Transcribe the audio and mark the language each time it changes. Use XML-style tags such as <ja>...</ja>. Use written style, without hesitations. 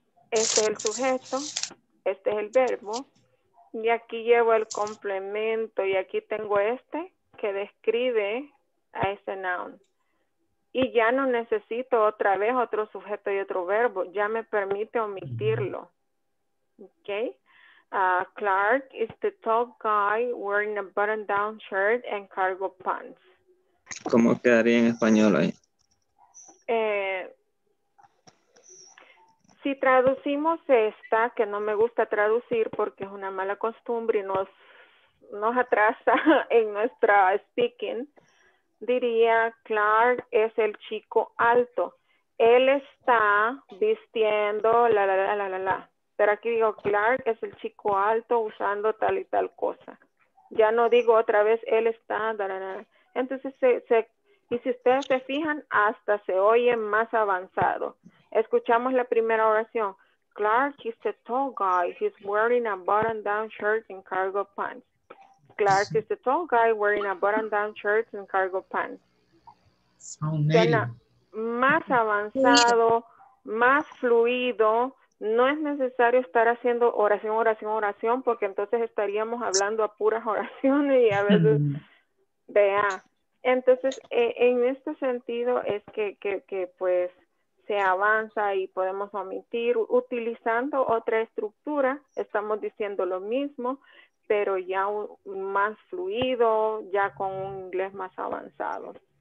<es>Este es el sujeto, este es el verbo, y aquí llevo el complemento, y aquí tengo este que describe a ese noun. Y ya no necesito otra vez otro sujeto y otro verbo, ya me permite omitirlo. Ok.</es> <en>Clark is the tall guy wearing a button-down shirt and cargo pants.</en> <es>¿Cómo quedaría en español ahí? Si traducimos esta, que no me gusta traducir porque es una mala costumbre y nos atrasa en nuestra speaking, diría Clark es el chico alto. Él está vistiendo la la la la la la. Pero aquí digo Clark es el chico alto usando tal y tal cosa. Ya no digo otra vez él está. Da, da, da. Entonces se y si ustedes se fijan, hasta se oye más avanzado. Escuchamos la primera oración.</es> <en>Clark is a tall guy. He's wearing a button-down shirt and cargo pants. Clark is the tall guy wearing a button-down shirt and cargo pants.</en> <es>Sonido. Más avanzado, más fluido, no es necesario estar haciendo oración, oración, oración, porque entonces estaríamos hablando a puras oraciones y a veces, vea. Entonces, en este sentido es que pues se avanza y podemos omitir utilizando otra estructura, estamos diciendo lo mismo, pero ya más fluido, ya con un inglés más avanzado.</es>